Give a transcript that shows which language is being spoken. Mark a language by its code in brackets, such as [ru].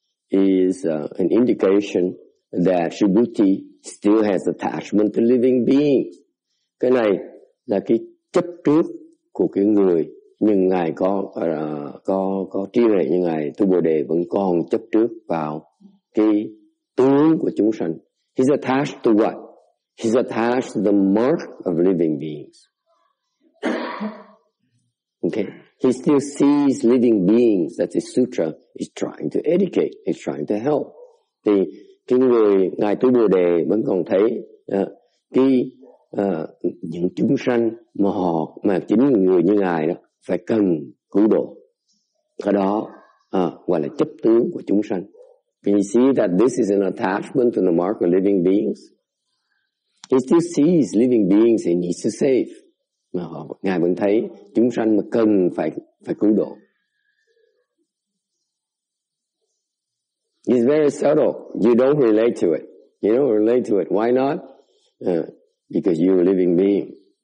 [en] So this is an indication that Subhuti still has attachment to living beings. [vi] Cái này là cái chấp trước của cái người, nhưng ngài có trí huệ, nhưng ngài Tu Bồ Đề vẫn còn chấp trước vào cái tướng của chúng sanh. [en] He's attached to what? He's attached to the mark of living beings. Okay. He still sees living beings that the sutra is trying to educate, is trying to help. [vi] Thì cái người ngài Tu Bồ Đề vẫn còn thấy những chúng sanh mà chính người như ngài đó phải cần cứu độ. Cái đó gọi là chấp tướng của chúng sanh. [en] Can you see that this is an attachment to the mark of living beings? He still sees living beings he needs to save. [vi] Ngài vẫn thấy chúng sanh mà cần phải cứu độ. [en] It's very subtle. You don't relate to it. You don't relate to it. Why not? Because you're a living being.